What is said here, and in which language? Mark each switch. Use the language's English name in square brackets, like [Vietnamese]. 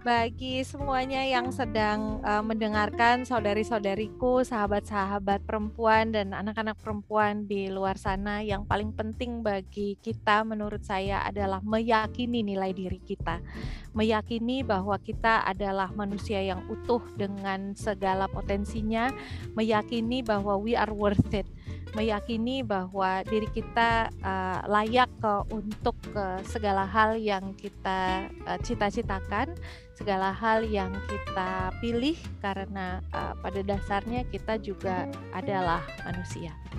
[Indonesian] Bagi semuanya yang sedang mendengarkan, saudari-saudariku, sahabat-sahabat perempuan, dan anak-anak perempuan di luar sana, yang paling penting bagi kita menurut saya adalah meyakini nilai diri kita. Meyakini bahwa kita adalah manusia yang utuh dengan segala potensinya. Meyakini bahwa [English] we are worth it. [Indonesian] Meyakini bahwa diri kita layak untuk segala hal yang kita cita-citakan, segala hal yang kita pilih, karena pada dasarnya kita juga adalah manusia.